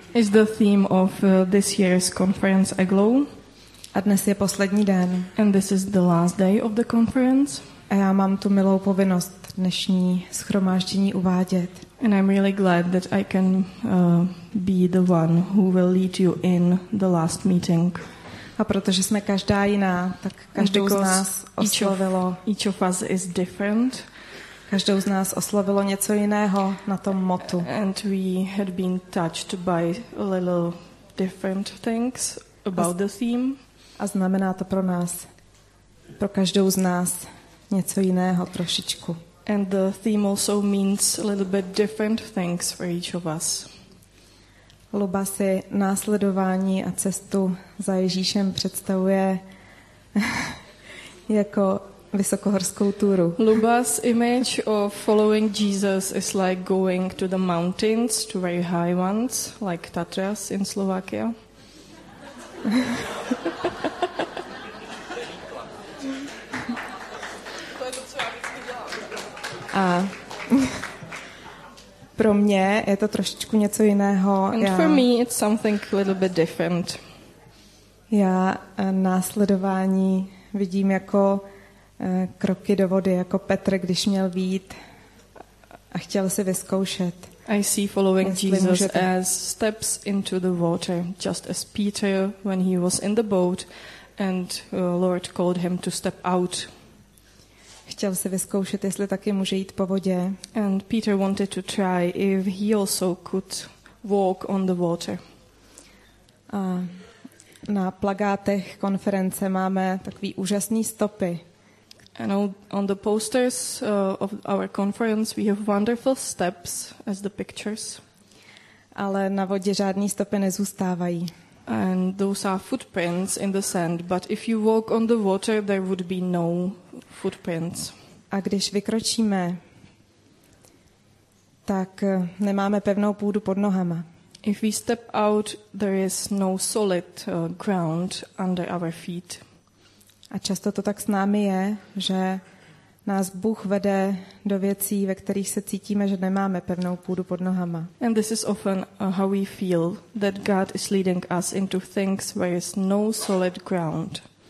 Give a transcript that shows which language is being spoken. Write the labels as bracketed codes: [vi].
[en] Is the theme of this year's conference EGLOW. [cs] A dnes je poslední den. [en] And this is the last day of the conference. [cs] A já mám tu milou povinnost dnešní shromáždění uvádět. [en] And I'm really glad that I can be the one who will lead you in the last meeting. [cs] A protože jsme každá jiná, tak každou z nás oslovilo. [en] Each of us is different. [cs] Každou z nás oslovilo něco jiného na tom motu. [en] And we had been touched by a little different things about the theme. [cs] A znamená to pro nás, pro každou z nás něco jiného trošičku. [en] And the theme also means a little bit different things for each of us. [cs] Luba si následování a cestu za Ježíšem představuje jako vysokohorskou túru. [en] Luba's image of following Jesus is like going to the mountains, to very high ones, like Tatras in Slovakia. [cs] A pro mě je to trošičku něco jiného. [en] And for me it's something a little bit different. [cs] Já následování vidím jako kroky do vody, jako Petr, když měl vyjít a chtěl si vyzkoušet. [en] I see following Jesus as steps into the water, just as Peter when he was in the boat and Lord called him to step out. [cs] Chtěl si vyzkoušet, jestli taky může jít po vodě. [en] And Peter wanted to try if he also could walk on the water. [cs] A na plakátech konference máme takový úžasný stopy. [en] And on the posters of our conference we have wonderful steps as the pictures. [cs] Ale na vodě žádný stopy nezůstávají. [en] And those are footprints in the sand, but if you walk on the water, there would be no footprints. [cs] A když vykročíme, tak nemáme pevnou půdu pod nohama. [en] If we step out, there is no solid ground under our feet. [cs] A často to tak s námi je, že nás Bůh vede do věcí, ve kterých se cítíme, že nemáme pevnou půdu pod nohama. [en] And this is often how we feel, that God is leading us into things where is no solid ground.